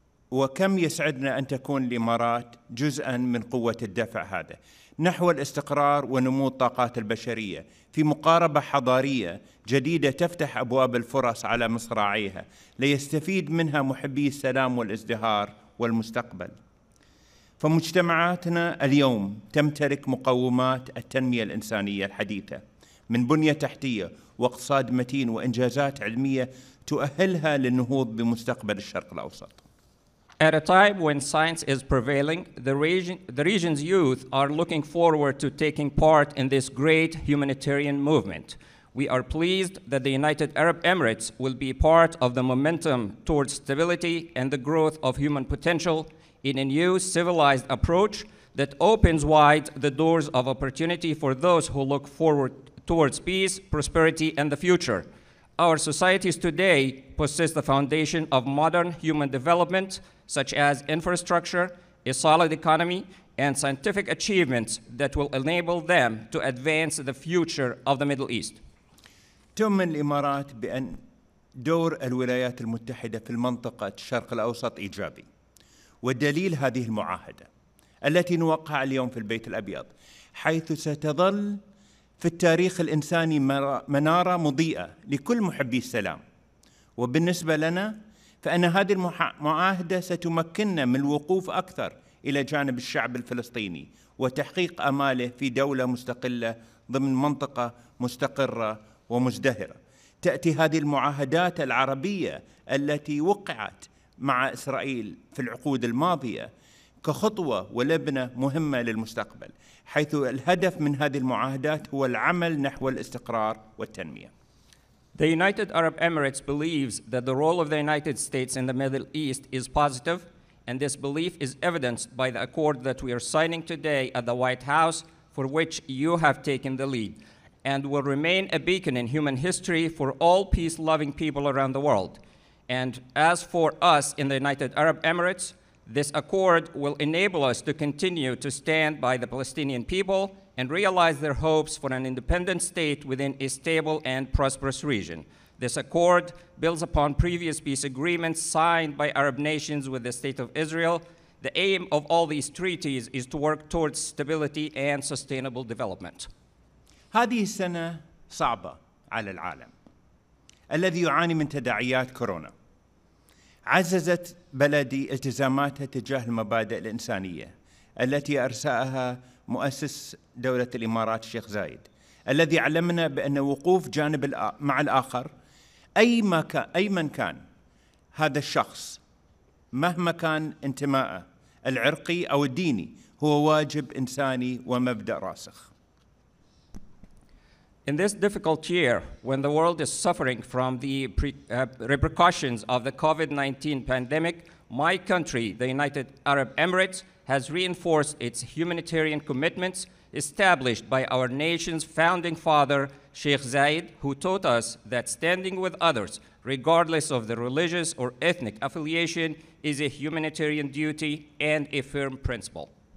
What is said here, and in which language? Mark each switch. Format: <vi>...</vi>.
<ar>وكم يسعدنا أن تكون الإمارات جزءا من قوة الدفع هذا نحو الاستقرار ونمو الطاقات البشرية في مقاربة حضارية جديدة تفتح أبواب الفرص على مصراعيها ليستفيد منها محبي السلام والازدهار والمستقبل. فمجتمعاتنا اليوم تمتلك مقومات التنمية الإنسانية الحديثة من بنية تحتية واقتصاد متين وإنجازات علمية تؤهلها للنهوض بمستقبل الشرق الأوسط.</ar> <en>At a time when science is prevailing, the region's youth are looking forward to taking part in this great humanitarian movement. We are pleased that the United Arab Emirates will be part of the momentum towards stability and the growth of human potential in a new civilized approach that opens wide the doors of opportunity for those who look forward towards peace, prosperity, and the future. Our societies today possess the foundation of modern human development, such as infrastructure, a solid economy, and scientific achievements that will enable them to advance the future of the Middle East.</en> <ar>تؤمن الإمارات بأن دور الولايات المتحدة في المنطقة الشرق الأوسط إيجابي، والدليل هذه المعاهدة التي نوقع اليوم في البيت الأبيض، حيث ستظل في التاريخ الإنساني منارة مضيئة لكل محبي السلام. وبالنسبة لنا فأن هذه المعاهدة ستمكننا من الوقوف أكثر إلى جانب الشعب الفلسطيني وتحقيق أماله في دولة مستقلة ضمن منطقة مستقرة ومزدهرة. تأتي هذه المعاهدات العربية التي وقعت مع إسرائيل في العقود الماضية كخطوة ولبنة مهمة للمستقبل، حيث الهدف من هذه المعاهدات هو العمل نحو الاستقرار والتنمية.</ar> <en>The United Arab Emirates believes that the role of the United States in the Middle East is positive, and this belief is evidenced by the accord that we are signing today at the White House, for which you have taken the lead, and will remain a beacon in human history for all peace-loving people around the world. And as for us in the United Arab Emirates, this accord will enable us to continue to stand by the Palestinian people and realize their hopes for an independent state within a stable and prosperous region. This accord builds upon previous peace agreements signed by Arab nations with the State of Israel. The aim of all these treaties is to work towards stability and sustainable development.</en> <ar>هذه السنة صعبة على العالم الذي يعاني من تداعيات كورونا. عززت بلدي التزاماتها تجاه المبادئ الإنسانية التي أرساها مؤسس دولة الإمارات الشيخ زايد الذي علمنا بأن وقوف جانب مع الآخر أي من كان هذا الشخص مهما كان انتماءه العرقي أو الديني هو واجب إنساني ومبدأ راسخ.</ar> <en>In this difficult year, when the world is suffering from the repercussions of the COVID-19 pandemic, my country, the United Arab Emirates, has reinforced its humanitarian commitments established by our nation's founding father, Sheikh Zayed, who taught us that standing with others, regardless of the religious or ethnic affiliation, is a humanitarian duty and a firm principle.</en>